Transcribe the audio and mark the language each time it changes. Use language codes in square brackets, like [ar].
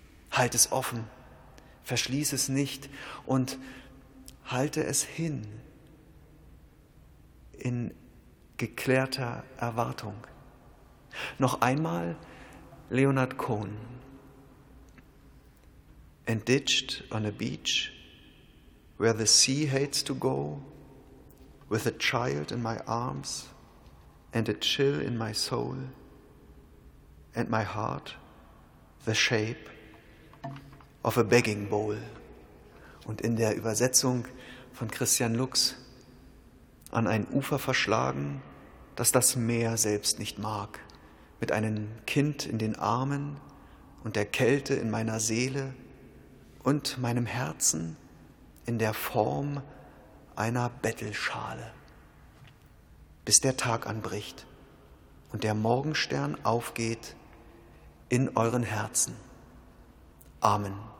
[de] Halt es offen, verschließ es nicht und halte es hin in geklärter Erwartung. Noch einmal Leonard Cohen. [en] And ditched on a beach where the sea hates to go, with a child in my arms and a chill in my soul and my heart the shape of a begging bowl. [de] Und in der Übersetzung von Christian Lux: an ein Ufer verschlagen, das das Meer selbst nicht mag, mit einem Kind in den Armen und der Kälte in meiner Seele und meinem Herzen in der Form einer Bettelschale, bis der Tag anbricht und der Morgenstern aufgeht in euren Herzen. Amen.